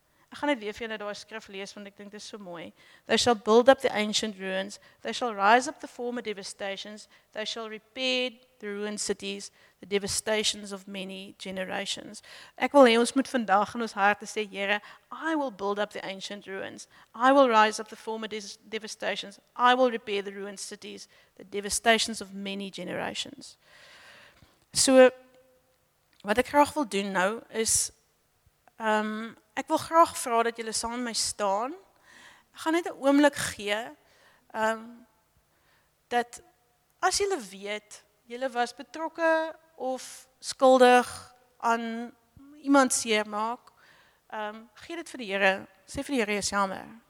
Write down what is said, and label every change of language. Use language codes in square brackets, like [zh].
[af] Ek gaan net weer vir julle daai skrif lees, want ek dink dit is so mooi. [en] They shall build up the ancient ruins, they shall rise up the former devastations, they shall repair the ruined cities, the devastations of many generations. [af] Ek wil hê ons moet vandag in ons harte sê, Here, [en] I will build up the ancient ruins, I will rise up the former devastations, I will repair the ruined cities, the devastations of many generations. [af] So, wat ek graag wil doen nou is, ek wil graag vra dat julle saam met my staan. Ek gaan net 'n oomblik gee, dat as julle weet, julle was betrokke of skuldig aan iemand seermaak, gee dit vir die Here. Sê vir die Here jy's jammer.